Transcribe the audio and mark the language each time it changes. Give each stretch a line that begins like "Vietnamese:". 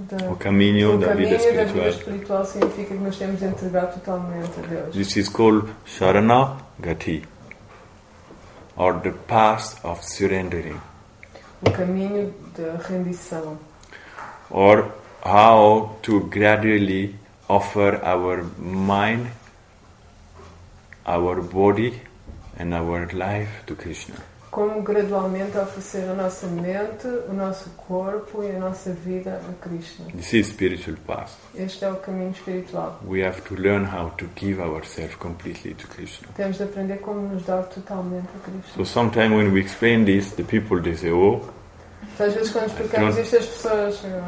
Portuguese: O caminho da vida espiritual. O caminho da vida espiritual significa que nós temos de entregar totalmente a Deus.
English: This is called Sharanagati, or the path of surrendering.
Portuguese: O caminho da rendição.
English: Or how to gradually offer our mind, our body, and our life to Krishna.
Portuguese: Como gradualmente oferecer a nossa mente, o nosso corpo e a nossa vida a Krishna.
English: This is spiritual path.
Portuguese: Este é o caminho espiritual.
English: We have to learn how to give ourselves completely to Krishna.
Portuguese: Temos de aprender como nos dar totalmente a Krishna.
English: So sometimes when we explain this, the people they say, oh.
Portuguese: Às vezes quando explicamos isto, as pessoas,